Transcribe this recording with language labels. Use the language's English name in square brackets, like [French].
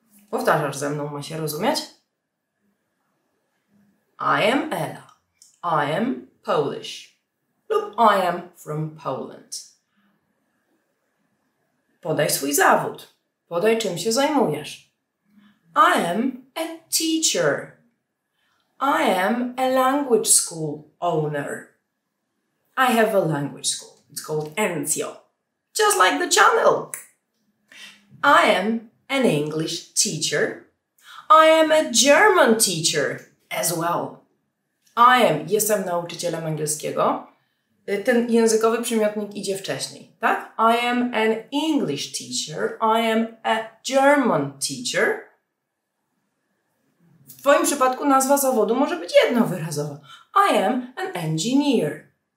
[Polish] Powtarzasz ze mną, ma się rozumieć? [English] I am Ela. I am Polish. Lub I am from Poland. [Polish] Podaj swój zawód. Podaj, czym się zajmujesz. [English] I am a teacher. I am a language school owner. I have a language school. It's called Enzio. Just like the channel. I am an English teacher. I am a German teacher as well. I am, [Polish] jestem nauczycielem angielskiego. Ten językowy przymiotnik idzie wcześniej, tak? [English] I am an English teacher. I am a German teacher. [Polish] W Twoim przypadku nazwa zawodu może być jednowyrazowa. [English] I am an engineer.